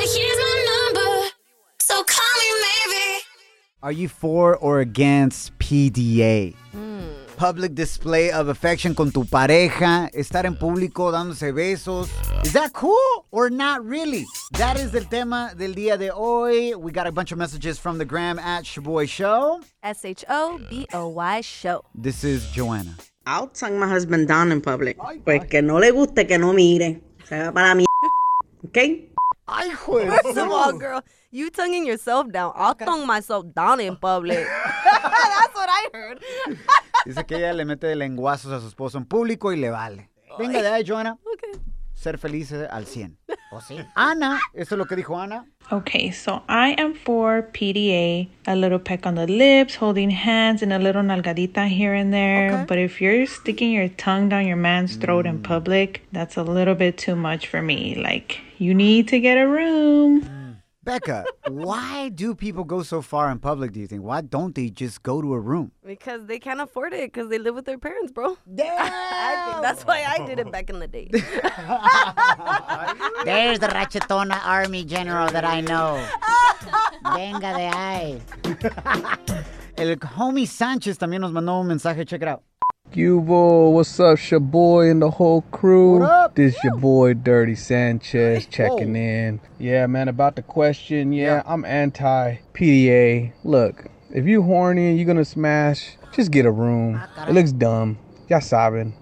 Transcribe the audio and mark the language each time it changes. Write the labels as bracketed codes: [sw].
[en] But here's my number, so call me maybe. Are you for or against PDA? Mm. Public display of affection [es] con tu pareja, estar en público dándose besos. [en] Is that cool or not really? That is [es] el tema del día de hoy. [en] We got a bunch of messages from the gram at Shaboy Show. S-H-O-B-O-Y Show. This is Joanna. I'll tongue my husband down in public. [es] Pues que no le guste, que no mire. Se va para mi... Okay? Ay, joder. [en] First of all, girl, you tonguing yourself down. I'll tongue myself down in public. That's what I heard. [es] Dice que ella le mete lenguazos a su esposo en público y le vale. Venga, de ahí, Joanna. [en] Okay. [es] Ser feliz al 100. ¿O sí? Ana, eso es lo que dijo Ana. [en] Okay, so I am for PDA, a little peck on the lips, holding hands, and a little nalgadita here and there. Okay. But if you're sticking your tongue down your man's throat in public, that's a little bit too much for me. Like, you need to get a room. Becca, why do people go so far in public, do you think? Why don't they just go to a room? Because they can't afford it because they live with their parents, bro. Damn! That's why I did it back in the day. There's the Ratchetona Army General that I know. [es] Venga de ahí. El homie Sanchez también nos mandó un mensaje. [en] Check it out. Cubo, what's up, Shaboy and the whole crew? What up? This your boy, Dirty Sanchez, checking in. Yeah, man, about the question, yeah. I'm anti-PDA. Look, if you horny and you're going to smash, just get a room. It looks dumb. [es] Ya saben.